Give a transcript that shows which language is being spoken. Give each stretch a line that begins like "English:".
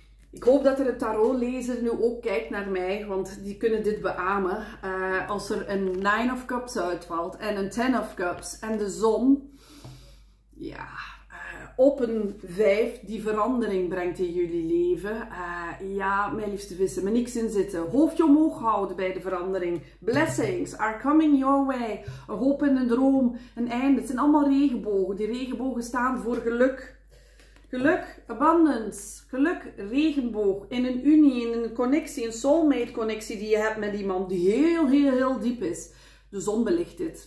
Dutch: Ik hoop dat er een tarotlezer nu ook kijkt naar mij, want die kunnen dit beamen. Als er een Nine of Cups uitvalt en een Ten of Cups en de zon, ja, op een vijf die verandering brengt in jullie leven. Ja, mijn liefste vissen, me niks in zitten. Hoofdje omhoog houden bij de verandering.
English: Blessings are coming your way.
Dutch: Een hoop en een droom, een einde. Het zijn allemaal regenbogen. Die regenbogen staan voor geluk. Geluk, abundance. Geluk, regenboog. In een unie, in een connectie, een soulmate connectie die je hebt met iemand die heel, heel, heel diep is. De zon belicht dit.